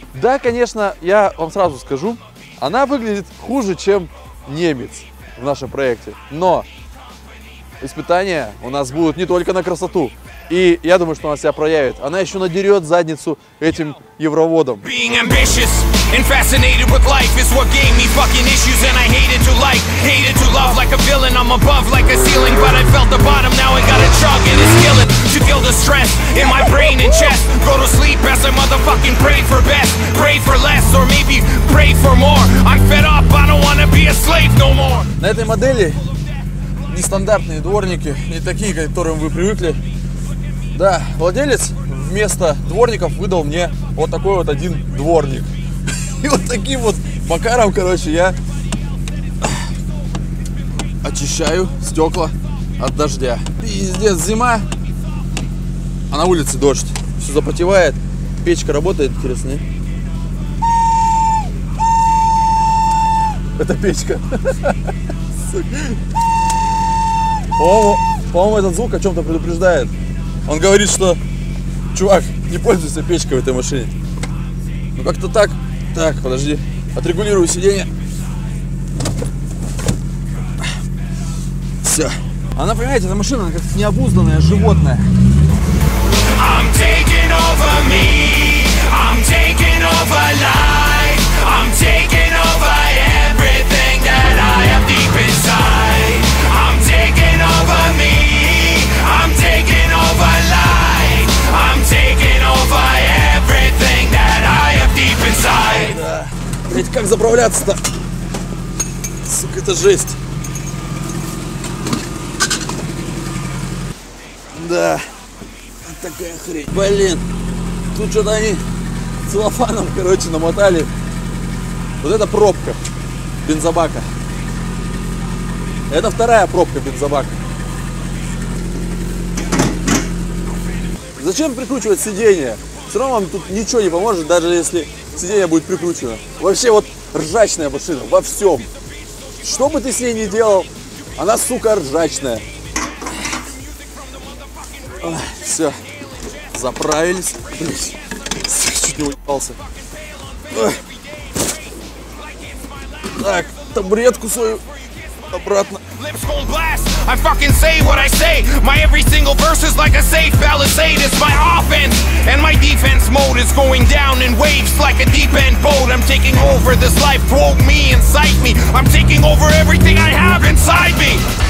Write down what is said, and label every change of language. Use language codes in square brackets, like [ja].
[ru] Да, конечно, я вам сразу скажу, она выглядит хуже, чем немец в нашем проекте. Но испытания у нас будут не только на красоту. И я думаю, что она себя проявит. Она еще надерет задницу этим евроводам. [en] And fascinated with life is what gave me fucking issues. And I hated to like, hated to love like a villain. I'm above like a ceiling, but I felt the bottom. Now I got a drug and it's killing to kill the stress in my brain and chest. Go to sleep as I motherfucking pray for best, pray for less, or maybe pray for more. I'm fed up, I don't wanna be a slave no more. [ru] На этой модели нестандартные дворники, не такие, к которым вы привыкли. Да, владелец вместо дворников выдал мне вот такой вот один дворник. И вот таким вот макаром, короче, я очищаю стекла от дождя. Пиздец, зима, а на улице дождь. Все запотевает, печка работает, интересно. Это печка. По-моему, этот звук о чем-то предупреждает. Он говорит, что, чувак, не пользуйся печкой в этой машине. Ну как-то так. Так, подожди, отрегулирую сиденье. Все. Она, понимаете, эта машина, она как необузданное животное. [en] I'm taking over me, I'm taking over life, I'm taking over everything that I have deep inside. I'm taking over me, I'm taking over life, I'm taking over everything that I have deep inside. [ru] Блять, как заправляться-то? Сука, это жесть. Да. Такая хрень. Блин, тут что-то они целлофаном, короче, намотали. Вот это пробка бензобака. Это вторая пробка бензобака. Зачем прикручивать сиденье? Все равно вам тут ничего не поможет, даже если сиденье будет прикручено. Вообще вот ржачная машина во всем. Что бы ты с ней ни делал, она, сука, ржачная. Ой, все. Заправились. Блин, чуть не уебался. Так, табуретку свою обратно. [en] Lips gon' blast, I fucking say what I say. My every single verse is like a safe palisade. It's my offense, and my defense mode is going down in waves like a deep end boat. I'm taking over this life, quote me, incite me. I'm taking over everything I have inside me.